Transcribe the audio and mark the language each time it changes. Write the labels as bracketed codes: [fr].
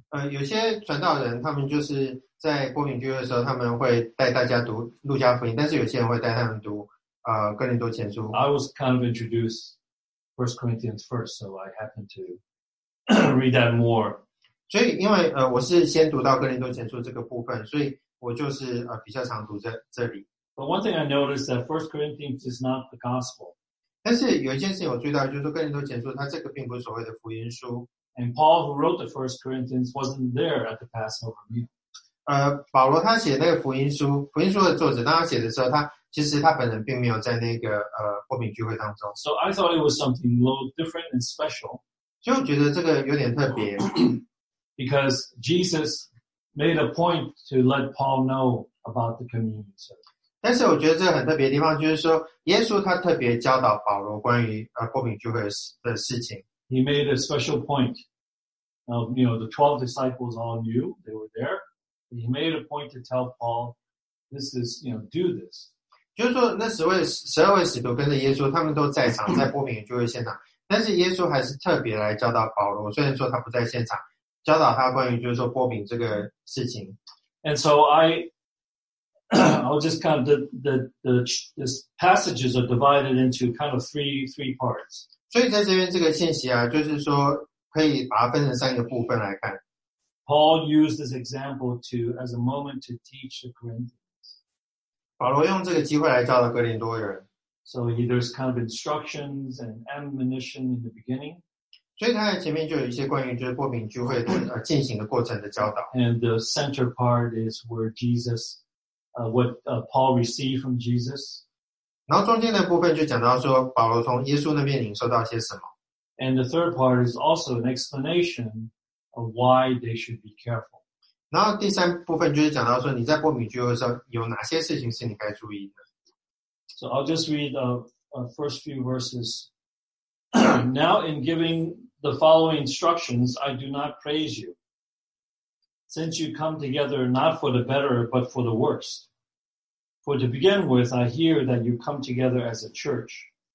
[zh] 有些传道人他们就是在波饼聚会的时候，他们会带大家读路加福音，但是有些人会带他们读哥林多前书。 [en] I was kind of introduced 1 Corinthians first, so I happened to read that more. [zh] 所以因为我是先读到哥林多前书这个部分，所以我就是比较常读在这里。 [en] But one thing I noticed that 1 Corinthians is not the gospel. [zh] 但是有一件事情我注意到，就是哥林多前书，它这个并不是所谓的福音书。 [en] And Paul, who wrote the 1 Corinthians, wasn't there at the Passover meal. [zh] 保罗他写那个福音书，福音书的作者，当他写的时候，他其实他本人并没有在那个波饼聚会当中。 [en] So I thought it was something a little different and special. [zh] 就觉得这个有点特别。 [en] Because Jesus made a point to let Paul know about the communion service. [zh] 但是我觉得这个很特别的地方就是说耶稣他特别教导保罗关于波饼聚会的事情。 [en] He made a special point. Now, you know, the 12 disciples all knew they were there. He made a point to tell Paul, this is, you know, do this. [zh] 就是说那12位使徒跟着耶稣他们都在场在波饼聚会现场。但是耶稣还是特别来教导保罗虽然说他不在现场教导他关于就是说波饼这个事情。 [en] And so I'll just kind of the passages are divided into kind of three parts. [zh] 所以在这边这个信息啊，就是说可以把它分成三个部分来看。 [en] Paul used this example to as a moment to teach the Corinthians. [zh] 保罗用这个机会来教导哥林多人。 [en] So there's kind of instructions and admonition in the beginning. [zh] 所以它在前面就有一些关于就是擘饼聚会的进行的过程的教导。 [en] And the center part is where Jesus, Paul received from Jesus. [zh] 然后中间的部分就讲到说保罗从耶稣那边领受到些什么。 [en] And the third part is also an explanation of why they should be careful. [zh] 然后第三部分就是讲到说你在擘饼聚会的时候有哪些事情是你该注意的。 [en] So I'll just read the first few verses. Now in giving the following instructions, I do not praise you, since you come together not for the better, but for the worse. For to begin with, I hear that you come together as a church.